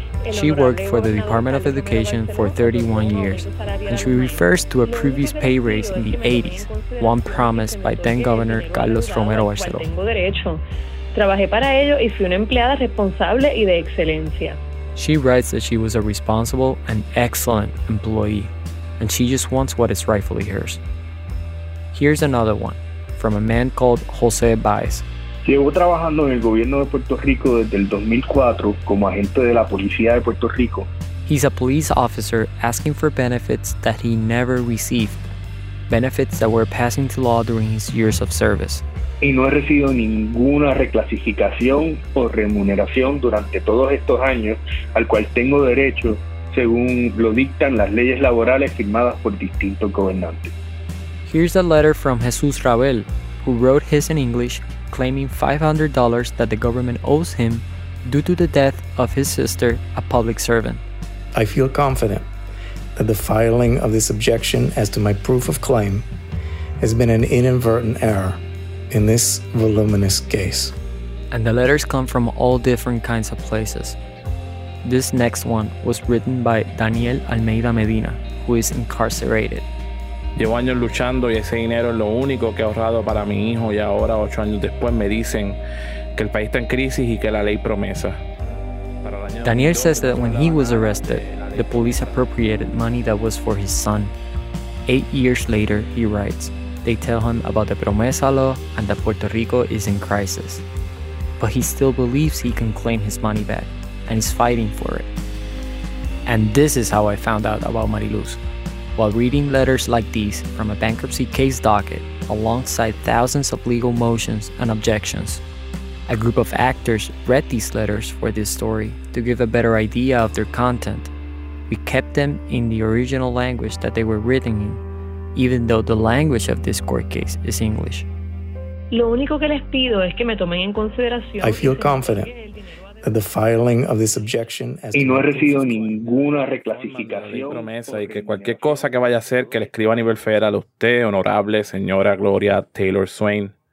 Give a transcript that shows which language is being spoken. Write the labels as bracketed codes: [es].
[en] She worked for the Department of Education for 31 years, and she refers to a previous pay raise in the 80s, one promised by then-Governor Carlos Romero Barceló. [es] Trabajé para ello y fui una empleada responsable y de excelencia. [en] She writes that she was a responsible and excellent employee, and she just wants what is rightfully hers. Here's another one, from a man called José Baez. [es] Llevo trabajando en el gobierno de Puerto Rico desde el 2004 como agente de la policía de Puerto Rico. [en] He's a police officer asking for benefits that he never received, benefits that were passing to law during his years of service. [es] Y no he recibido ninguna reclasificación o remuneración durante todos estos años al cual tengo derecho según lo dictan las leyes laborales firmadas por distintos gobernantes. [en] Here's a letter from Jesús Ravel, who wrote his in English, claiming $500 that the government owes him due to the death of his sister, a public servant. I feel confident that the filing of this objection as to my proof of claim has been an inadvertent error in this voluminous case. and the letters come from all different kinds of places. This next one was written by Daniel Almeida Medina, who is incarcerated. [es] Llevo años luchando y ese dinero es lo único que he ahorrado para mi hijo y ahora, 8 años después, me dicen que el país está en crisis y que la ley promesa. [en] Daniel says that when he was arrested, the police appropriated money that was for his son. 8 years later, he writes, they tell him about the promesa law and that Puerto Rico is in crisis. But he still believes he can claim his money back and is fighting for it. And this is how I found out about Mariluz. While reading letters like these from a bankruptcy case docket alongside thousands of legal motions and objections, a group of actors read these letters for this story to give a better idea of their content. We kept them in the original language that they were written in, even though the language of this court case is English. I feel confident that the filing of this objection has been. [es] Y no he recibido ninguna reclasificación. Promesa y que cualquier cosa que vaya a hacer, que le escriba a nivel federal a usted, honorable señora Gloria Taylor Swain.